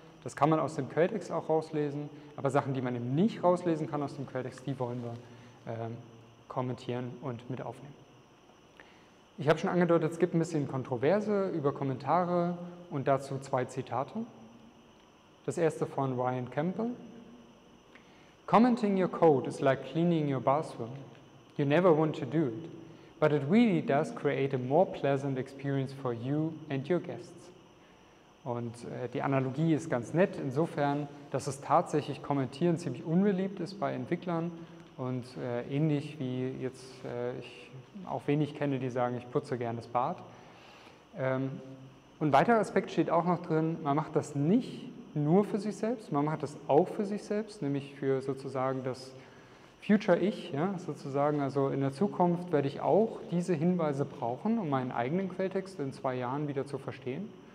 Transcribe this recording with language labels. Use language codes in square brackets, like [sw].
[de] Das kann man aus dem Quelltext auch rauslesen. Aber Sachen, die man eben nicht rauslesen kann aus dem Quelltext, die wollen wir kommentieren und mit aufnehmen. Ich habe schon angedeutet, es gibt ein bisschen Kontroverse über Kommentare und dazu zwei Zitate. Das erste von Ryan Campbell. [en] Commenting your code is like cleaning your bathroom. You never want to do it, but it really does create a more pleasant experience for you and your guests. [de] Und die Analogie ist ganz nett insofern, dass es tatsächlich Kommentieren ziemlich unbeliebt ist bei Entwicklern Und ähnlich wie jetzt ich auch wenig kenne, die sagen, ich putze gerne das Bad. Und ein weiterer Aspekt steht auch noch drin, man macht das nicht nur für sich selbst, man macht das auch für sich selbst, nämlich für sozusagen das Future Ich, ja, sozusagen, also in der Zukunft werde ich auch diese Hinweise brauchen, um meinen eigenen Quelltext in 2 Jahren wieder zu verstehen.